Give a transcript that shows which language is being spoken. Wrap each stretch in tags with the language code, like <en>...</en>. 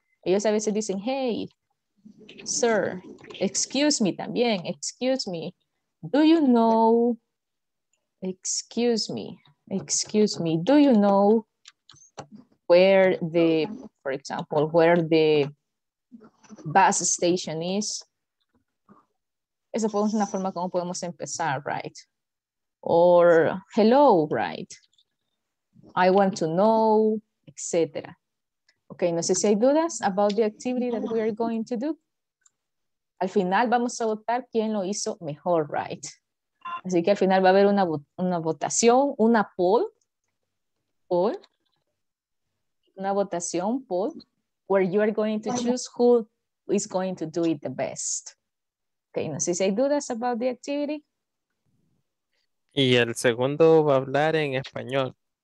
<es>Ellos a veces dicen,</es> <en>hey, sir. Excuse me también. Excuse me. Do you know? Excuse me. Excuse me. Do you know where the, for example, where the bus station is?</en> <es>Esa fue una forma como podemos empezar, right?</es> <en>Or hello, right? I want to know, etc. Okay,</en> <es>no sé si hay dudas</es> <en>about the activity that we are going to do.</en> <es>Al final vamos a votar quién lo hizo mejor, right? Así que al final va a haber una votación, una poll.</es> <en>Poll.</en> <es>Una votación,</es> <en>poll. Where you are going to choose who is going to do it the best.</en> <es>Okay, no sé si hay dudas</es> <en>about the activity.</en> <es>Y el segundo va a hablar en español.</es>